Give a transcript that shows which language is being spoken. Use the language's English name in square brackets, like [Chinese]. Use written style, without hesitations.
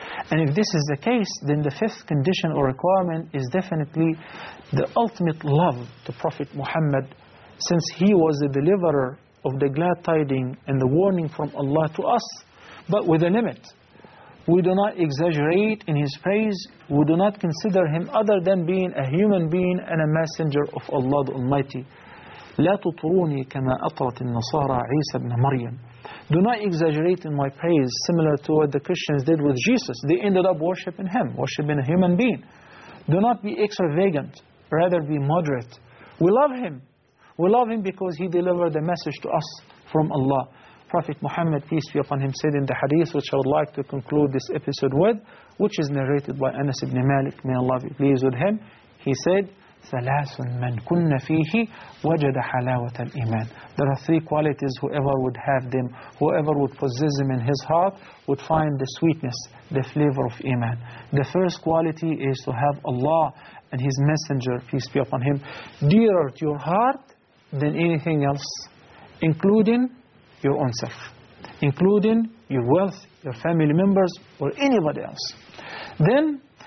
[English] And if this is the case, then the fifth condition or requirement is definitely the ultimate love to Prophet Muhammad, since he was the deliverer of the glad tidings and the warning from Allah to us, but with a limit. We do not exaggerate in his praise. We do not consider him other than being a human being and a messenger of Allah the Almighty. [Arabic] لا تطروني كما أطرت النصارى عيسى بن مريم. [English] Do not exaggerate in my praise, similar to what the Christians did with Jesus. They ended up worshipping him, worshipping a human being. Do not be extravagant, rather be moderate. We love him. We love him because he delivered the message to us from Allah. Prophet Muhammad, peace be upon him, said in the hadith, which I would like to conclude this episode with, which is narrated by Anas ibn Malik, may Allah be pleased with him. He said, [Arabic] ثلاث من كن فيه وجد حلاوة الإيمان. [English] There are three qualities, whoever would have them, whoever would possess them in his heart, would find the sweetness, the flavor of Iman. The first quality is to have Allah and his messenger, peace be upon him, dearer to your heart than anything else, including your own self, including your wealth, your family members, or anybody else. Then